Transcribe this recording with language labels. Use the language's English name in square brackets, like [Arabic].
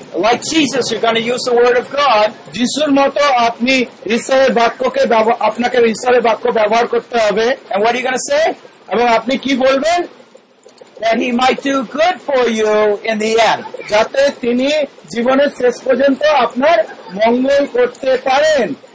[English] like Jesus, you're going to use the word of God, [Bangla] যিশুর মতো আপনি ঈশ্বরের বাক্যকে আপনাকে ঈশ্বরের বাক্য ব্যবহার করতে হবে। [English] And what are you going to say? [Bangla] এবং আপনি কি বলবেন? [English] That he might do good for you in the end. [Bangla] যাতে তিনি জীবনের শেষ পর্যন্ত আপনার মঙ্গল করতে পারেন।